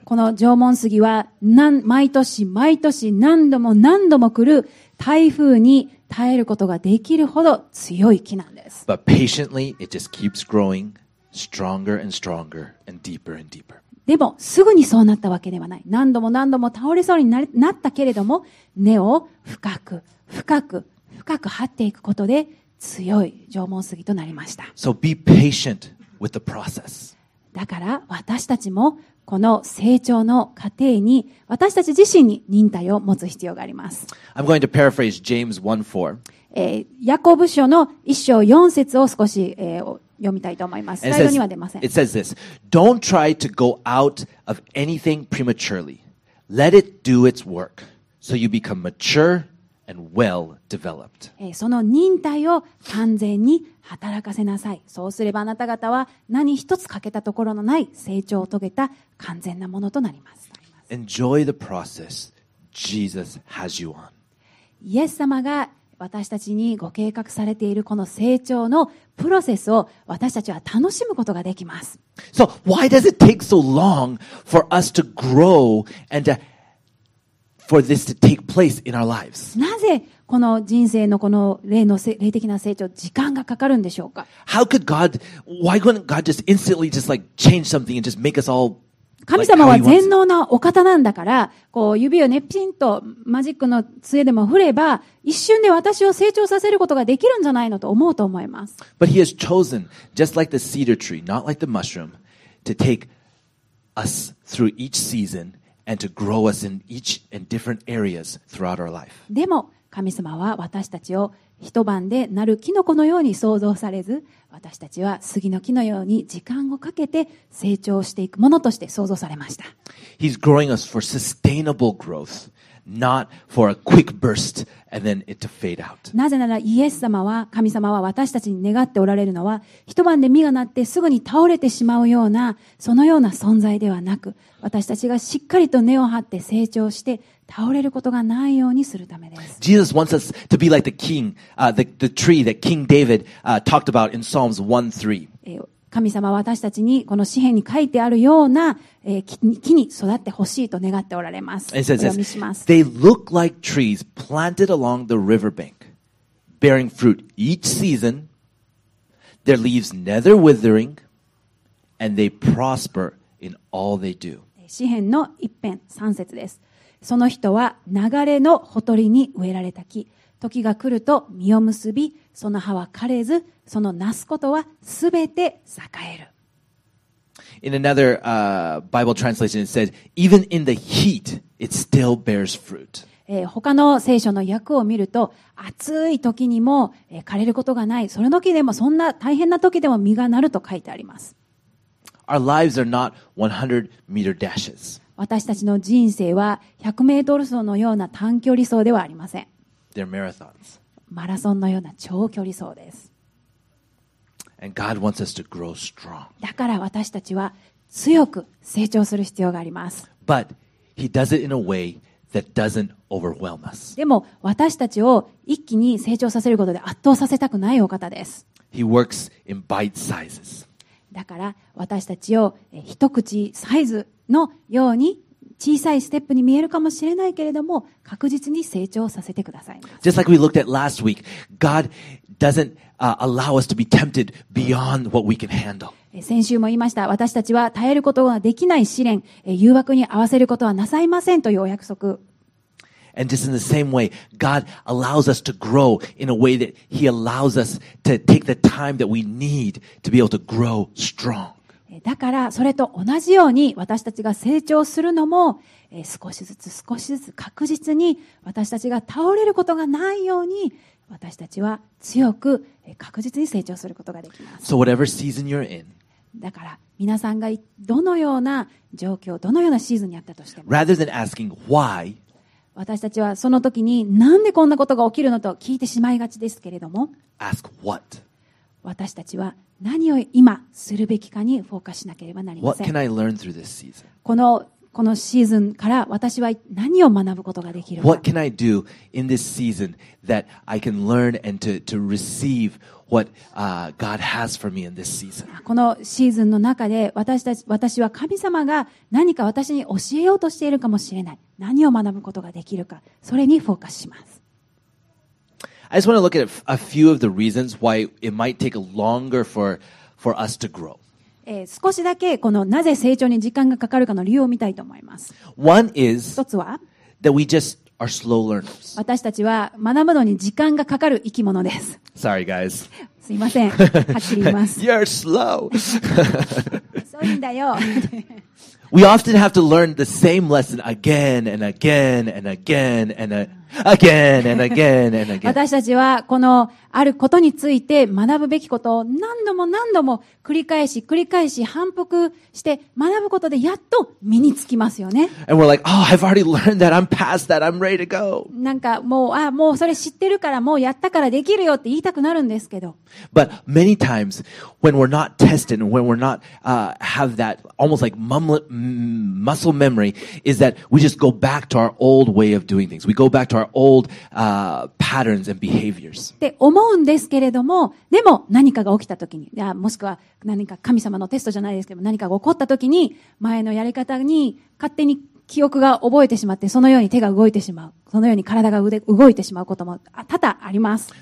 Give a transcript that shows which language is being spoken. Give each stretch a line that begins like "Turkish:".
Japanese: この縄文杉は毎年毎年何度も何度も来る台風に耐えることができるほど強い木なんです。
English: But patiently, it just keeps growing stronger and stronger and deeper and deeper.
Japanese: でもすぐにそうなったわけではない。何度も何度も倒れそうになったけれども、根を深く深く深く張っていくことで強い縄文杉となりました。
English: So be patient with the process.
Japanese: だから私たちもこの成長の過程に私たち自身に忍耐を持つ必要があります。
English: I'm going to paraphrase James 1:4.
Japanese: ヤコブ書の一章四節を少し、読みたいと思います。スライドには出ません。
English: It says this: Don't try to go out of anything prematurely. Let it do its work, so you become mature and well developed.
Japanese: その忍耐を完全に働かせなさい。そうすればあなた方は何一つ欠けたところのない成長を遂げた完全なものとなります。
English: Enjoy the process Jesus has you on.
Japanese: イエス様が私たちにご計画されているこの成長のプロセスを私たちは楽しむことができます。
English: So why does it take so long for us to grow and to, for this to take place in our lives?
Japanese: なぜこの人生のこの霊的な成長時間がかかるんでしょうか。
English: How could God, why couldn't God just instantly just like change something and just make us all?
Japanese: 神様は全能なお方なんだから、こう指をねピンとマジックの杖でも振れば一瞬で私を成長させることができるんじゃないのと思うと思います。
English: But He has chosen just like the cedar tree, not like the mushroom, to take us through each season and to grow us in each and different areas throughout our life.
Japanese: でも神様は私たちを一晩でなるキノコのように創造されず、私たちは杉の木のように時間をかけて成長していくものとして創造されました。
English: He's growing us for sustainable growth, not for a quick burst and then it to fade out.
Japanese: なぜならイエス様は、神様は私たちに願っておられるのは、一晩で実がなってすぐに倒れてしまうような、そのような存在ではなく、私たちがしっかりと根を張って成長して、倒れることがないようにするためです。
English: Jesus wants us to be like the king, the tree that King David, talked about in Psalms 1:3.
Japanese: 神様は私たちにこの詩篇に書いてあるような、木に育ってほしいと願っておられます。
English: It says this: They look like trees planted along the riverbank, bearing fruit each season. Their leaves never withering, and they prosper in all they do.
Japanese: 詩篇の一編三節です。その人は流れのほとりに植えられた木。時が来ると実を結び、その葉は枯れず、そのなすことはすべて栄える。
English: In another, Bible translation, it says, even in the heat, it still bears fruit.
Japanese: 他の聖書の訳を見ると、暑い時にも枯れることがない、その時でもそんな大変な時でも実がなると書いてあります。
English: Our lives are not 100 meter dashes.
Japanese: 私たちの人生は100メートル走のような短距離走ではありません。
English: They're marathons.
Japanese: マラソンのような長距離走です。
English: And God wants us to grow strong.
Japanese: だから私たちは強く成長する必要があります。
English: But He does it in a way that doesn't overwhelm us.
Japanese: でも私たちを一気に成長させることで圧倒させたくないお方です。
English: He works in bite sizes.
Japanese: だから私たちを一口サイズのように小さいステップに見えるかもしれないけれども確実に成長させてください。
English: Just like we looked at last week, God doesn't allow us to be tempted beyond what we can handle.
Japanese: 先週も言いました。私たちは耐えることができない試練、誘惑に合わせることはなさいませんというお約束。
English: And just in the same way, God allows us to grow in a way that He allows us to take the time that we need to be able to grow strong.
Japanese: だからそれと同じように私たちが成長するのも少しずつ少しずつ確実に私たちが倒れることがないように私たちは強く確実に成長することができます。
English: So whatever season you're in,
Japanese: だから皆さんがどのような状況、どのようなシーズンにあったとしても、
English: Rather than asking why,
Japanese: 私たちはその時になんでこんなことが起きるのと聞いてしまいがちですけれども、
English: Ask what?
Japanese: 私たちは何を今するべきかにフォーカスしなければなりません。
English: What can I learn through this season?
Japanese: このシーズンから私は何を学ぶことができるか。
English: What can I do in this season that I can learn and to receive what God has for me in this season?
Japanese: このシーズンの中で私は神様が何か私に教えようとしているかもしれない。何を学ぶことができるか、それにフォーカスします。
English: I just want to look at a few of the reasons why it might take longer for us to grow.
Japanese: 少しだけこのなぜ成長に時間がかかるかの理由を見たいと思います。
English: One is
Japanese: 一つは
English: that we just are slow learners.
Japanese: 私たちは学ぶのに時間がかかる生き物です。
English: Sorry, guys.
Japanese: すいません。はっきり言います。
English: You're slow.
Japanese: そういうんだよ。
English: We often have to learn the same lesson again and again and again and again and again and again.
Japanese: 私たちはこのあることについて学ぶべきことを何度も何度も繰り返し繰り返し反復して学ぶことでやっと身につきますよね。
English: And we're like, oh, I've already learned that. I'm past that. I'm ready to go.
Japanese: なんかもう、ああ、もうそれ知ってるから、もうやったからできるよって言いたくなるんですけど。
English: But many times when we're not tested and when we're not have that almost like muscle memory is that we just go back to our old way of doing things. We go back to our old patterns and behaviors.
Japanese: で思うんですけれども、でも何かが起きたときに、いや、もしくは何か神様のテストじゃないですけど、何かが起こったときに前のやり方に勝手に記憶が覚えてしまって、そのように手が動いてしまう、そのように体が動いてしまうことも多々あります。